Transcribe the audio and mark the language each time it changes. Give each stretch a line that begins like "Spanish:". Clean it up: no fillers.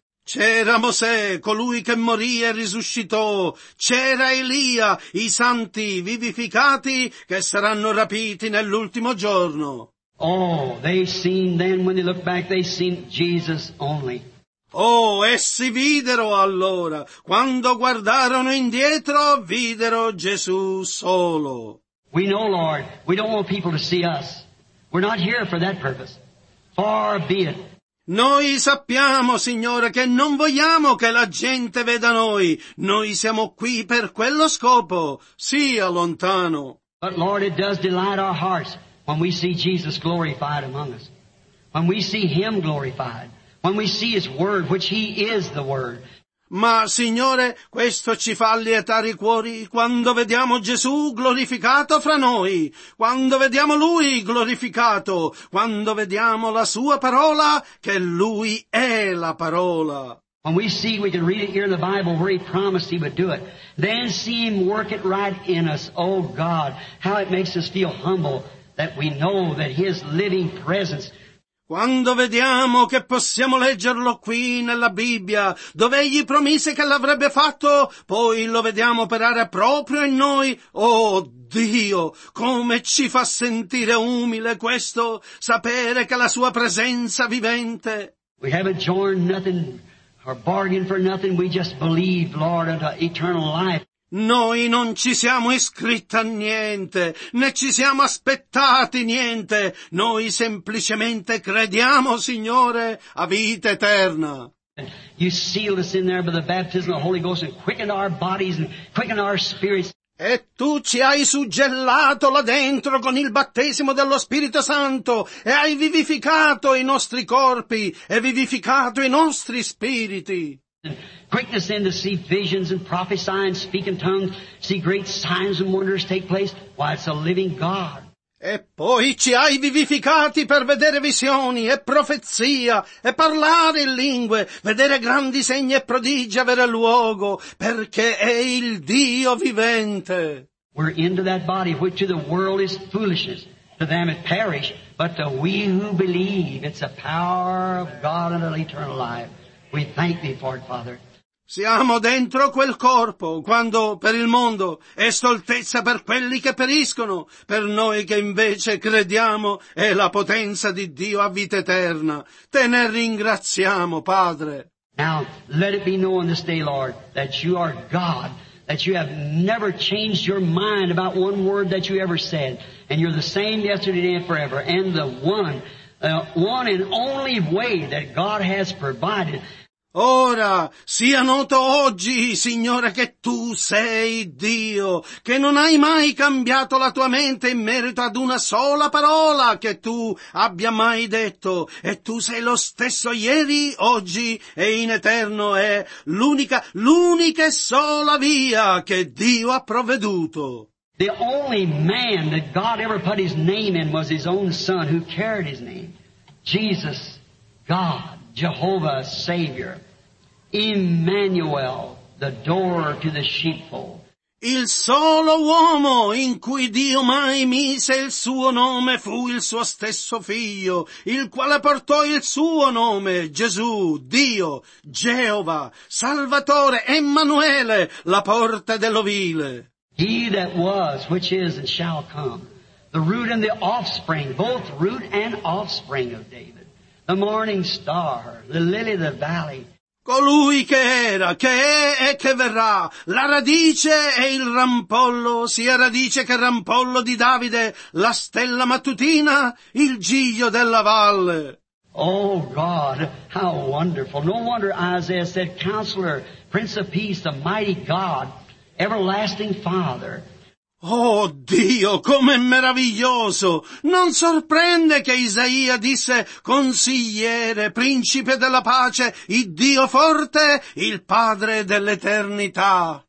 Italian: C'era Mosè, colui che morì e risuscitò. C'era Elia, i santi vivificati che saranno rapiti nell'ultimo giorno.
English: Oh, they seen then, when they look back, they seen Jesus only.
Italian: Oh, essi videro allora, quando guardarono indietro, videro Gesù solo.
English: We know, Lord, we don't want people to see us. We're not here for that purpose. Far be it.
Italian: Noi sappiamo, Signore, che non vogliamo che la gente veda noi. Noi siamo qui per quello scopo. Sia lontano.
English: But Lord, it does delight our hearts when we see Jesus glorified among us. When we see Him glorified. When we see His Word, which He is the Word.
Italian: Ma, Signore, questo ci fa lietare i cuori quando vediamo Gesù glorificato fra noi, quando vediamo Lui glorificato, quando vediamo la Sua parola, che Lui è la parola.
English: When we see, we can read it here in the Bible where He promised He would do it. Then see Him work it right in us. Oh God, how it makes us feel humble that we know that His living presence.
Italian: Quando vediamo che possiamo leggerlo qui nella Bibbia, dove Egli promise che l'avrebbe fatto, poi lo vediamo operare proprio in noi, oh Dio, come ci fa sentire umile questo, sapere che la Sua presenza vivente.
English: We haven't joined nothing or bargained for nothing, we just believe, Lord, unto eternal life.
Italian: Noi non ci siamo iscritti a niente, né ci siamo aspettati niente. Noi semplicemente crediamo, Signore, a vita eterna.
English: You sealed us in there by the baptism of the Holy Ghost and quickened our bodies and quickened our spirits.
Italian: E tu ci hai suggellato là dentro con il battesimo dello Spirito Santo e hai vivificato i nostri corpi e vivificato i nostri spiriti.
English: And quickness in to see visions and prophesy and speak in tongues, see great signs and wonders take place, why it's a living God.
Italian: E poi ci hai vivificati per vedere visioni e profezia e parlare in lingue, vedere grandi segni e prodigi avere luogo, perché è il Dio vivente.
English: We're into that body which to the world is foolishness, to them it perish, but to we who believe it's a power of God and an eternal life. We thank Thee for it, Father.
Italian: Siamo dentro quel corpo, quando per il mondo è stoltezza per quelli che periscono, per noi che invece crediamo è la potenza di Dio a vita eterna. Te ne ringraziamo, Padre.
English: Now, let it be known this day, Lord, that You are God, that You have never changed Your mind about one word that You ever said, and You're the same yesterday, today, and forever, and the one... one and only way that God has provided.
Italian: Ora, sia noto oggi, Signore, che Tu sei Dio, che non hai mai cambiato la Tua mente in merito ad una sola parola che Tu abbia mai detto, e Tu sei lo stesso ieri, oggi e in eterno, è l'unica e sola via che Dio ha provveduto.
English: The only man that God ever put His name in was His own Son who carried His name. Jesus, God, Jehovah, Savior, Emmanuel, the door to the sheepfold.
Italian: Il solo uomo in cui Dio mai mise il suo nome fu il suo stesso figlio, il quale portò il suo nome, Gesù, Dio, Geova, Salvatore, Emmanuele, la porta dell'ovile.
English: He that was, which is, and shall come, the root and the offspring, both root and offspring of David, the morning star, the lily of the valley.
Italian: Colui che era, che è e che verrà, la radice e il rampollo, sia radice che rampollo di Davide, la stella mattutina, il giglio della valle.
English: Oh God, how wonderful. No wonder Isaiah said, Counselor, Prince of Peace, the mighty God, Everlasting Father.
Italian: Oh Dio, com'è meraviglioso! Non sorprende che Isaia disse, Consigliere, Principe della Pace, il Dio forte, il Padre dell'Eternità.